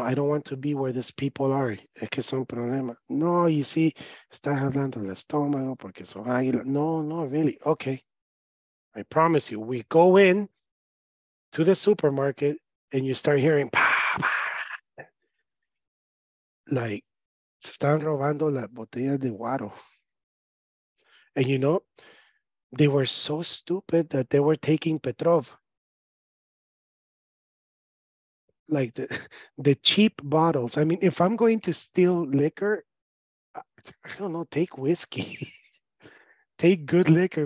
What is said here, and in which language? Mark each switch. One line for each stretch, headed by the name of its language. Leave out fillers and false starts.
English: I don't want to be where these people are.
Spanish: Es que son problemas. No,
English: you see,
Spanish: estás hablando del estómago porque son águilas. No,
English: really. Okay. I promise you, we go in to the supermarket and you start hearing, bah, bah. Like,
Spanish: se están robando las botellas de guaro.
English: And you know, they were so stupid that they were taking Petrov. Like the cheap bottles. I mean, if I'm going to steal liquor, I don't know, take whiskey. Take good liquor.